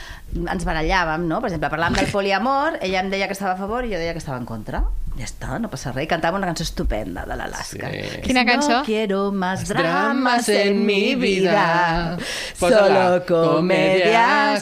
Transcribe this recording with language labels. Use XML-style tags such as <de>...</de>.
<ca>Ens barallàvem, no? Per exemple, parlàvem del poliamor, ella em deia que estava a favor i jo deia que estava en contra. Ja està, no passa res. I cantava una cançó estupenda de l'Alaska. Sí. Quina cançó?</ca> <es>No quiero más dramas en mi vida, solo comedias.</es>